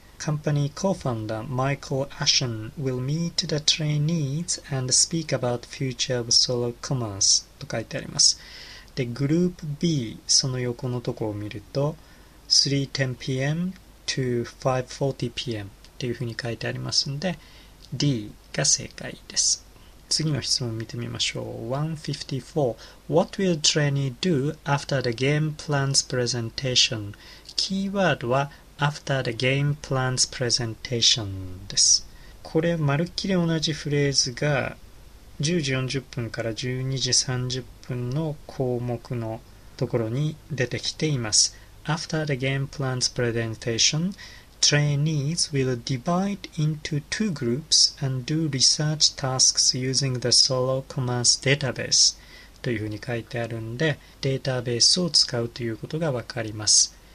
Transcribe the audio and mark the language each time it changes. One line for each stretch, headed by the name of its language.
English: カンパニーコーファウンダーマイクル・アシュン will meet the trainees and speak about future of Seoul Commerce
Japanese: と書いてあります。で、グループ B、 その横のところを見ると3:10pm to 5:40pm っていうふうに書いてありますんで D が正解です。次の質問見てみましょう。
English: 154.What will trainee do after the game plans presentation?
Japanese: キーワードは
English: after the game plans presentation
Japanese: です。これまるっきり同じフレーズが10時40分から12時30分の項目のところに出てきています。
English: After the game plan's presentation, trainees will divide into two groups and do research tasks using the Seoul Commerce database
Japanese: というふうに書いてあるんで、データベースを使うということがわかります。